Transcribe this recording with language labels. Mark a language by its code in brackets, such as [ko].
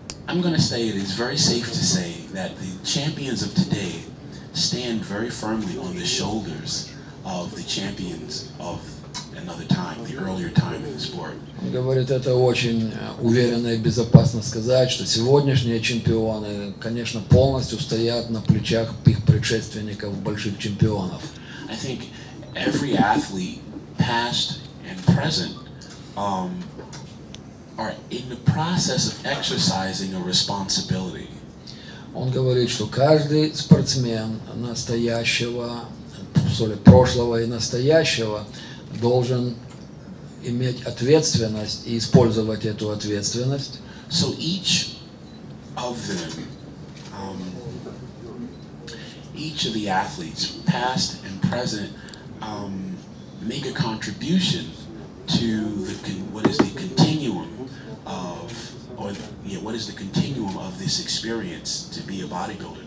[en] I'm going to say it is very safe to say that the champions of today stand very firmly on the shoulders of the champions of another time, the earlier time in the sport. [ru] Он говорит, это очень уверенно и безопасно сказать, что сегодняшние чемпионы, конечно, полностью стоят на плечах их предшественников, больших чемпионов. [en] I think every athlete, past and present, are in the process of exercising a responsibility. [ru] Он говорит, что каждый спортсмен настоящего, [en] sorry, [ru] прошлого и настоящего, должен иметь ответственность и использовать эту ответственность. [en] So each of them, each of the athletes, past and present, make a contribution to the what is the continuum of, or yeah, what is the continuum of this experience to be a bodybuilder?